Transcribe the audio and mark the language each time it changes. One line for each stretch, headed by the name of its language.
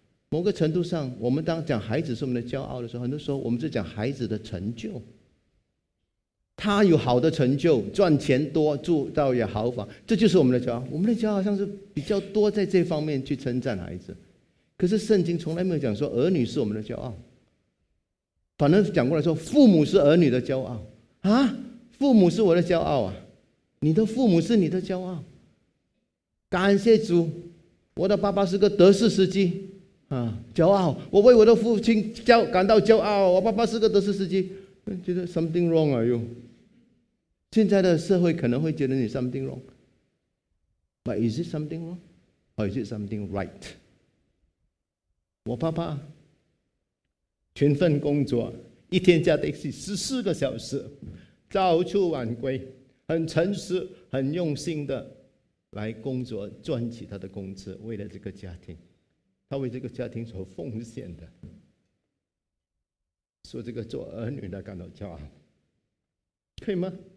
Chinese: 某个程度上，我们当讲孩子是我们的骄傲的时候，很多时候我们是讲孩子的成就，他有好的成就，赚钱多，住到也豪房，这就是我们的骄傲。我们的骄傲好像是比较多在这方面去称赞孩子，可是圣经从来没有讲说儿女是我们的骄傲，反而讲过来说父母是儿女的骄傲啊，父母是我的骄傲啊，你的父母是你的骄傲。感谢主，我的爸爸是个德士司机啊，骄傲，我为我的父亲感到骄傲，我爸爸是个德士司机，觉得
English: something wrong
Chinese: 啊哟。现在的社会可能会觉得你
English: something wrong， but is it something wrong or is it something right？
Chinese: 我爸爸全份工作，一天加 taxi 14个小时，早出晚归，很诚实很用心的来工作，赚取他的工资，为了这个家庭，他为这个家庭所奉献的，说这个做儿女的感到骄傲，可以吗？